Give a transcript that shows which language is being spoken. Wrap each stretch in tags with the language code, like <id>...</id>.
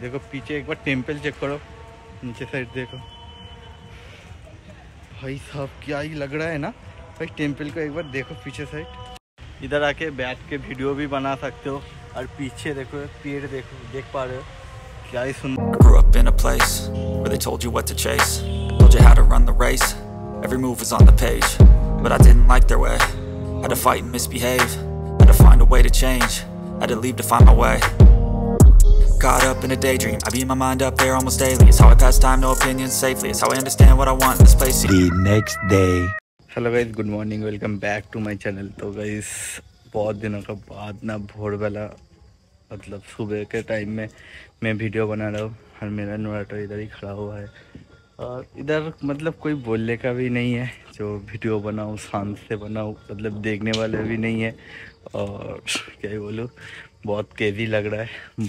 <hi>देखो पीछे एक बार टेंपल चेक करो, नीचे साइड देखो भाई साहब क्या ही लग रहा है ना भाई, टेंपल को एक बार देखो पीछे साइड। इधर आके बैठ के वीडियो भी बना सकते हो, और पीछे देखो पेड़ देखो, देख पा रहे हो क्या ही सुंदर।</hi> <en>Grew up in a place where they told you what to chase, told you how to run the race, every move was on the page, but I didn't like their way. Had to fight and misbehave, had to find a way to change, had to leave to find my way. Caught up in a daydream, I beat my mind up there almost daily. It's how I pass time, no opinions safely. It's how I understand what I want in this place. The next day. Hello guys, good morning, welcome back to my channel.</en> <hi>So guys, बहुत दिनों के बाद ना भोर वाला मतलब सुबह के टाइम में मैं वीडियो बना रहा हूँ, और मेरा नोराटो इधर ही खड़ा हुआ है, और इधर मतलब कोई बोलने का भी नहीं है, जो वीडियो बनाऊँ शांत से बनाऊँ, मतलब देखने वाले भी नहीं है, और क्या ही बोलूँ बहुत केजी लग रहा है।</hi>